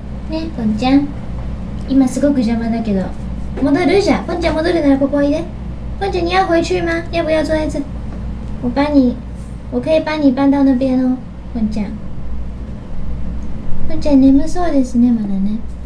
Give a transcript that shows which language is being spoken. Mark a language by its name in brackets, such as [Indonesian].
[Japanese] ね、ポンちゃん今すごく邪魔だけど戻るじゃん、ポンちゃん戻るならここいで、ポンちゃん [Chinese] 你要回去吗？要不要坐在这？我帮你，我可以帮你搬到那边哦， [Japanese] ポンちゃん。ポンちゃん眠そうですね、まだね。